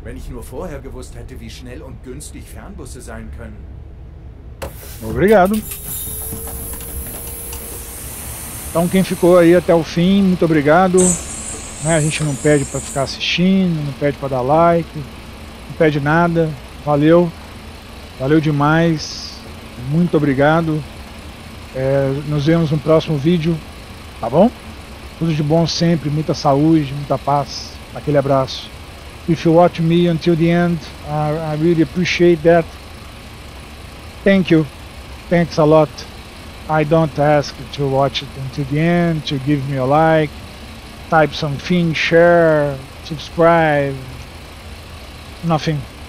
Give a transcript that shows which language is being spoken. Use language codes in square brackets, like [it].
[de] Nur vorher gewusst hätte, wie schnell und günstig Fernbusse sein können. [pt] Obrigado. Então quem ficou aí até o fim, muito obrigado. Né, a gente não pede para ficar assistindo, não pede para dar like, não pede nada. Valeu. Valeu demais. Muito obrigado. Nos vemos no próximo vídeo, tá bom? Tudo de bom sempre, muita saúde, muita paz. Aquele abraço. [en] If you watch me until the end, I really appreciate that. Thank you. Thanks a lot. I don't ask to watch it until the end, to give me a like, type something, share, subscribe, nothing.